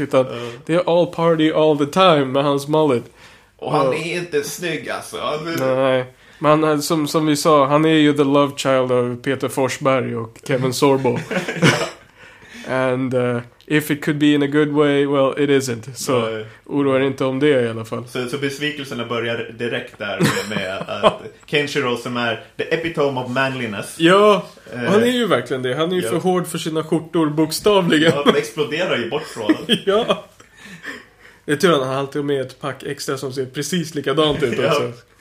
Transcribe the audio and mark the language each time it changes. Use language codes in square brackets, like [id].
[sv] Utan det är all party all the time med hans mullet. Och han är inte snygg, alltså. Nej, men han, som vi sa, han är ju [en] the love child [sv] av Peter Forsberg och Kevin Sorbo. [en] And if it could be in a good way, well, it isn't. [sv] Så oroa er inte om det i alla fall. Så besvikelserna börjar direkt där med att Kenshiro, som är [en] the epitome of manliness. [sv] Ja, han är ju verkligen det. Han är ju för hård för sina skjortor, bokstavligen. Ja, det exploderar ju bort från honom. Ja. Det är tur att han alltid har med ett pack extra som ser precis likadant ut också.